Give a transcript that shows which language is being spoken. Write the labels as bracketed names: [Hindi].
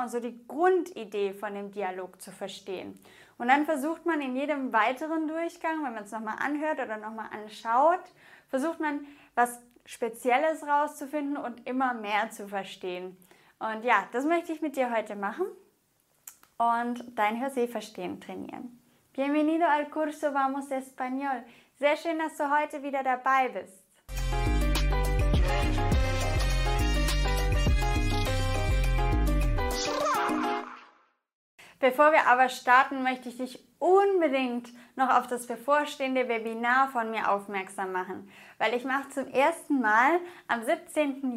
[German] Und so die Grundidee von dem Dialog zu verstehen. Und dann versucht man in jedem weiteren Durchgang, wenn man es nochmal anhört oder nochmal anschaut, versucht man, was Spezielles rauszufinden und immer mehr zu verstehen. Und ja, das möchte ich mit dir heute machen und dein Hörsehverstehen trainieren. [Spanish] Bienvenido al curso Vamos Español. [German] Sehr schön, dass du heute wieder dabei bist. Bevor wir aber starten, möchte ich dich unbedingt noch auf das bevorstehende Webinar von mir aufmerksam machen, weil ich mache zum ersten Mal am 17.